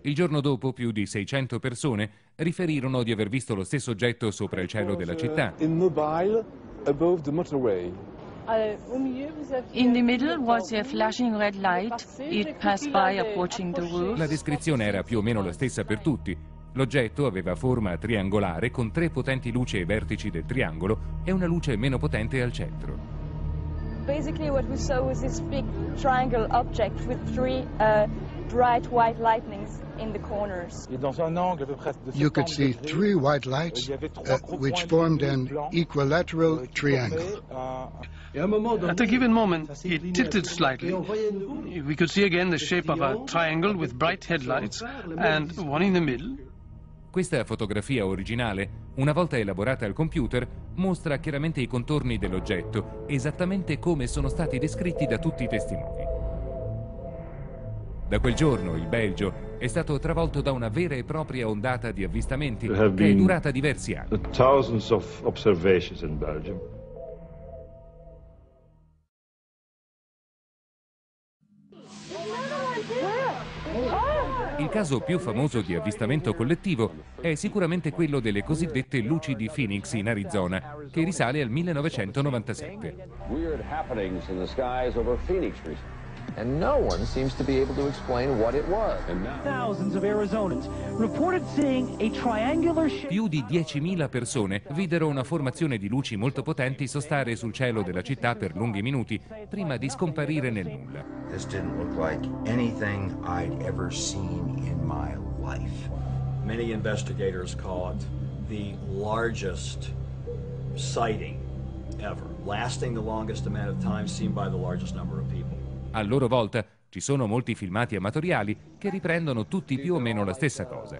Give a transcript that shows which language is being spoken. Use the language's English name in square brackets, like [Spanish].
[Italian] Il giorno dopo più di 600 persone riferirono di aver visto lo stesso oggetto sopra il cielo della città. [English] In Mobile above the motorway. In the middle was a flashing red light. It passed by approaching the roof. [Italian] La descrizione era più o meno la stessa per tutti. L'oggetto aveva forma triangolare con tre potenti luci ai vertici del triangolo e una luce meno potente al centro. [English] Basically what we saw was this big triangle object with three bright white lightnings in the corners. You could see three white lights which formed an equilateral triangle. At a given moment, it tilted slightly. We could see again the shape of a triangle with bright headlights and one in the middle. [Italian] Questa fotografia originale, una volta elaborata al computer, mostra chiaramente i contorni dell'oggetto, esattamente come sono stati descritti da tutti i testimoni. Da quel giorno, il Belgio è stato travolto da una vera e propria ondata di avvistamenti che è durata diversi anni. [English] Thousands of observations in Belgium. [Italian] Il caso più famoso di avvistamento collettivo è sicuramente quello delle cosiddette luci di Phoenix in Arizona, che risale al 1997. Più di 10.000 persone videro una formazione di luci molto potenti sostare sul cielo della città per lunghi minuti, prima di scomparire nel nulla. [English] Many investigators call it the largest sighting ever, lasting the longest amount of time seen by the largest number of people. [Italian] A loro volta, ci sono molti filmati amatoriali che riprendono tutti più o meno la stessa cosa.